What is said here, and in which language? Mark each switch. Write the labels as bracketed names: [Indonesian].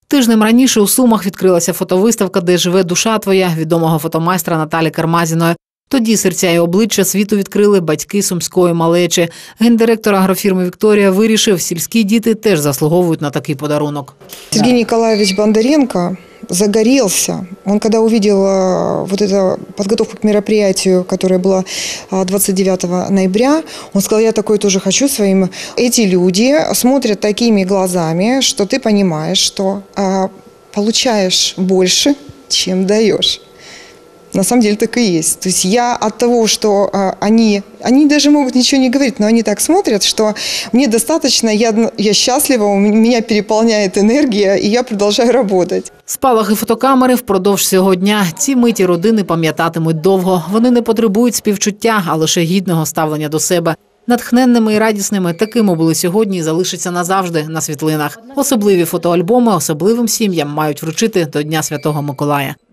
[Ukrainian] Тижнем раніше у Сумах відкрилася фотовиставка «Де живе душа твоя» відомого фотомайстра Наталі Кармазіної. Тоді серця і обличчя світу відкрили батьки сумської малечі. Гендиректор агрофірми Вікторія вирішив, сільські діти теж заслуговують на такий подарунок. Сергій Ніколаєвич Бондаренко загорівся. Він, коли побачив [Russian] вот эту підготовку к мероприятию, которая была 29 ноября, он сказал: "Я такое тоже хочу своим". Эти люди смотрят такими глазами, что ты понимаешь, что получаешь больше, чем даешь. На самом деле так и есть. То есть я от того, что они даже могут ничего не говорить, но они так смотрят, что мне достаточно, я счастлива, меня переполняет энергия, и я продолжаю работать. [Ukrainian] Спалахи фотокамери впродовж цього дня. Ці миті родини пам'ятатимуть довго. Вони не потребують співчуття, а лише гідного ставлення до себе. Натхненними і радісними такими були сьогодні і залишаться назавжди на світлинах. Особливі фотоальбоми особливим сім'ям мають вручити до Дня Святого Миколая.